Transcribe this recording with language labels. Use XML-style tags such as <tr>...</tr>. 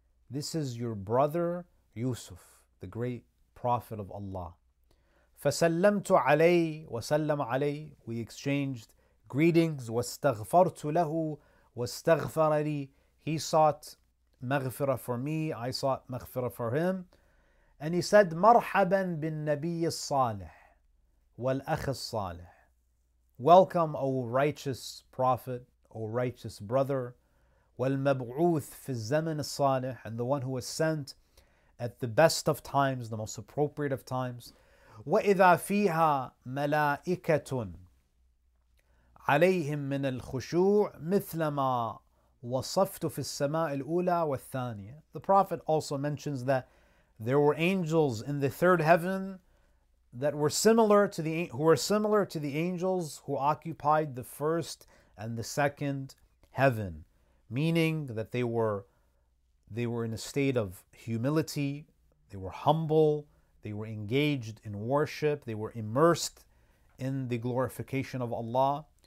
<en>This is your brother Yusuf, the great prophet of Allah.</en> <ar>فَسَلَّمْتُ عَلَيْهِ وَسَلَّمَ عَلَيْهِ.</ar> <en>We exchanged greetings.</en> <ar>وَاسْتَغْفَرْتُ لَهُ وَاسْتَغْفَرَ لِي.</ar> <en>He sought maghfirah for me, I sought maghfirah for him. And he said,</en> <ar>مَرْحَبًا بِالنَّبِيِّ الصَّالِحِ وَالْأَخِ الصَّالِحِ.</ar> <en>Welcome, O righteous prophet, O righteous brother,</en> <ar>والمبعوث في الزمن الصالح,</ar> <en>and the one who was sent at the best of times, the most appropriate of times.</en> <ar>وإذا فيها ملائكة عليهم من الخشوع مثل ما وصفت في السماء الأولى والثانية.</ar> <en>The Prophet also mentions that there were angels in the third heaven that were similar to the angels who occupied the first and the second heaven, meaning that they were in a state of humility, they were humble, they were engaged in worship, they were immersed in the glorification of Allah.</en>